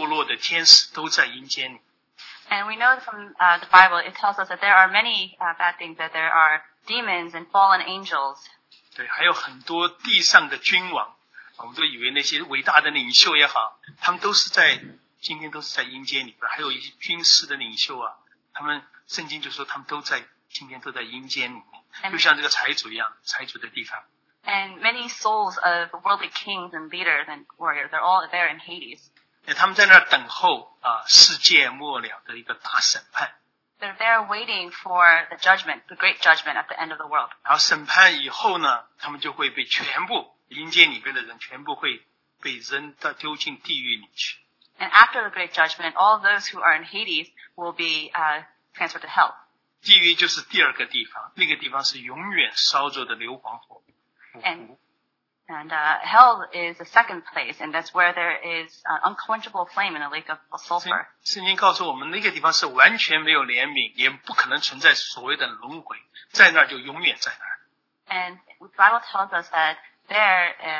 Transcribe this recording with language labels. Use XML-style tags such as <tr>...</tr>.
<zh>我们都知道圣经告诉我们哈，有很多记载。圣经告诉我们在阴间里面有魔鬼撒旦，还有那个堕落的天使都在阴间里。</zh> <en>And we know from the Bible, it tells us that there are many bad things, that there are demons and fallen angels.</en> <zh>对，还有很多地上的君王，我们都以为那些伟大的领袖也好，他们都是在今天都是在阴间里边，还有一些军师的领袖啊，他们圣经就说他们都在今天都在阴间里。就像这个财主一样，财主的地方。</zh> <en>And many souls of worldly kings and leaders and warriors, they're all there in Hades.</en> <zh>他们在那儿等候世界末了的一个大审判。</zh> <en>They're there waiting for the judgment, the great judgment at the end of the world.</en> <zh>然后审判以后呢，他们就会被全部阴间里边的人全部会被扔到丢进地狱里去。</zh> <en>And after the great judgment, all those who are in Hades will be transferred to hell.</en> <zh>地狱就是第二个地方，那个地方是永远烧着的硫磺火。</zh> <en>And And hell is the second place, and that's where there is unquenchable flame in the lake of sulfur.</en> <zh>圣经告诉我们, 那个地方是完全没有怜悯, 也不可能存在所谓的轮回, 在那就永远在那儿。</zh> <en>And the Bible tells us that there,</en>